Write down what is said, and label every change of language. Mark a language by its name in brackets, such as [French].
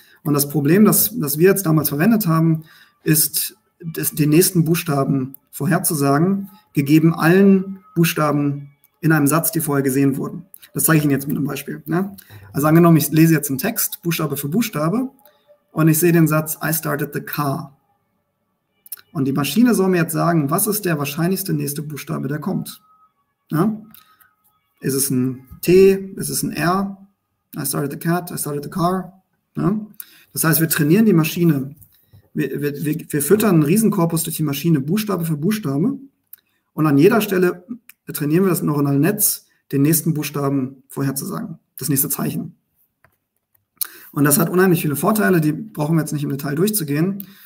[German] Und das Problem, das wir jetzt damals verwendet haben, ist, den nächsten Buchstaben vorherzusagen, gegeben allen Buchstaben in einem Satz, die vorher gesehen wurden. Das zeige ich Ihnen jetzt mit einem Beispiel. Ne? Also angenommen, ich lese jetzt einen Text, Buchstabe für Buchstabe, und ich sehe den Satz, [English] I started the car. [German] Und die Maschine soll mir jetzt sagen, was ist der wahrscheinlichste nächste Buchstabe, der kommt? Ja? Ist es ein T? Ist es ein R? [English] I started the cat, I started the car. [German] Ne? Das heißt, wir trainieren die Maschine. Wir füttern einen Riesenkorpus durch die Maschine, Buchstabe für Buchstabe. Und an jeder Stelle trainieren wir das neuronale Netz, den nächsten Buchstaben vorherzusagen, das nächste Zeichen. Und das hat unheimlich viele Vorteile, die brauchen wir jetzt nicht im Detail durchzugehen.